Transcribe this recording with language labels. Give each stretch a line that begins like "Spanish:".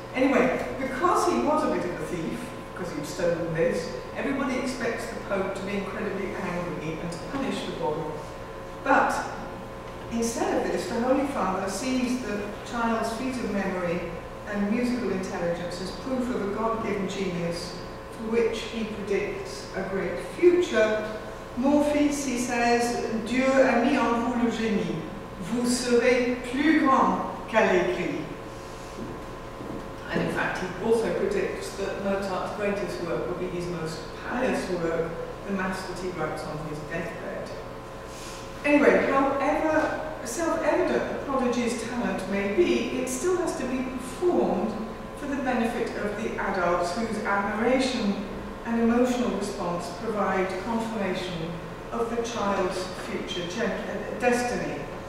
English: Anyway, because he was a bit of a thief, because he'd stolen this, everybody expects the Pope to be incredibly angry and to punish the boy. But instead of this, the Holy Father sees the child's feat of memory and musical intelligence as proof of a God-given genius for which he predicts a great future.
French: Mon fils,
English: he says,
French: Dieu a mis en vous le génie. Vous serez plus grand qu'Allegri.
English: And in fact, he also predicts that Mozart's greatest work will be his most pious work, the mass that he writes on his deathbed. Anyway, however self-evident the prodigy's talent may be, it still has to be performed for the benefit of the adults whose admiration and emotional response provide confirmation of the child's future destiny.